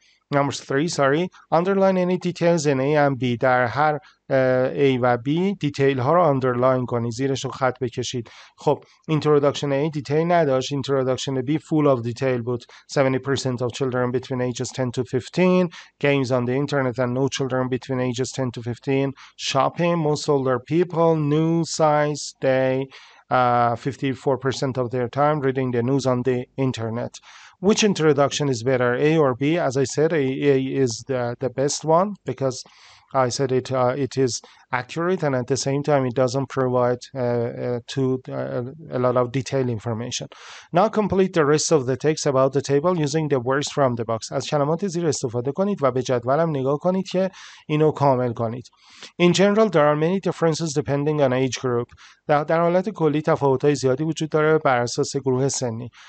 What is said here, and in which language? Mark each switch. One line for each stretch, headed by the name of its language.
English: Number 3 underline any details in A and B.
Persian: در هر A و B دیتیل ها رو underline کنی، زیرش رو خط بکشید. خب introduction A دیتیل نداشت، introduction B
English: full of detail
Persian: بود.
English: 70% of children between ages 10 to 15 games on the internet and no children between ages 10 to 15 shopping. Most older people new size day 54% of their time reading the news on the internet. Which introduction is better, A or B? As I said, A is the best one because I said it is accurate and at the same time it doesn't provide a lot of detailed information. Now complete the rest of the text about the table using the words from the box.
Persian: از کلمات زیر استفاده کنید و به جدول هم نگاه کنید که اینو کامل کنید.
English: In general, there are many differences depending on age group.
Persian: در حالت کلی تفاوت‌های زیادی وجود داره بر اساس گروه سنی.